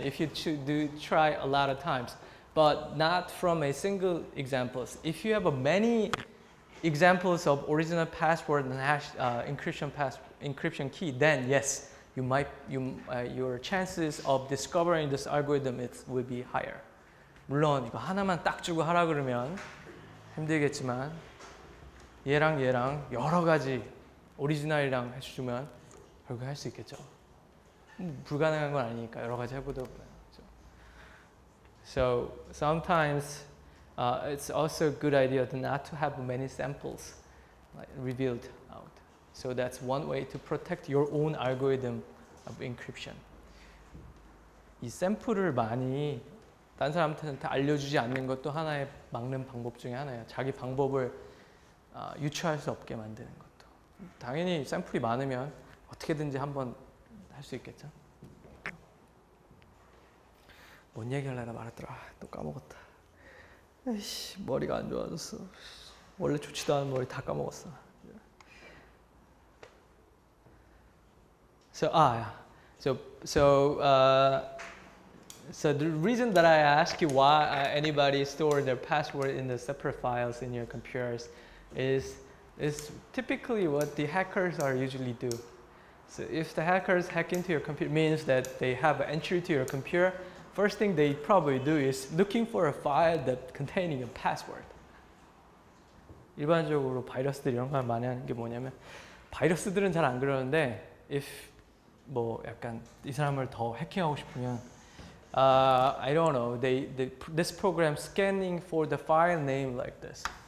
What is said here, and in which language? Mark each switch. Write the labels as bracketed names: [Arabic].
[English] If you try a lot of times. But not from a single examples. If you have many examples of original password and hash encryption key, then yes, your chances of discovering this algorithm will be higher. [Korean] 물론 이거 하나만 딱 주고 하라 그러면 힘들겠지만 얘랑 여러 가지 오리지널이랑 해주면 결국 할 수 있겠죠. 불가능한 건 아니니까 여러 가지 해보도록 해요. [English] So sometimes it's also a good idea to not to have many samples revealed out. So that's one way to protect your own algorithm of encryption. [Korean] 이 샘플을 많이 다른 사람한테 알려주지 않는 것도 하나의 막는 방법 중에 하나예요. 자기 방법을 유추할 수 없게 만드는 것도. 당연히 샘플이 많으면 어떻게든지 한번 할 수 있겠죠. 뭔 얘기하려나 말았더라. 또 까먹었다. 에이씨, 머리가 안 좋아졌어. 원래 좋지도 않은 머리 다 까먹었어. [English] So the reason that I ask you why anybody stores their password in the separate files in your computers is typically what the hackers are usually do. So if the hackers hack into your computer, means that they have an entry to your computer, first thing they probably do is looking for a file that containing a password. [Korean] 일반적으로 바이러스들이 이런 걸 많이 하는 게 뭐냐면 바이러스들은 잘 안 그러는데 if 뭐 약간 이 사람을 더 해킹하고 싶으면 [English] I don't know. This program scanning for the file name like this.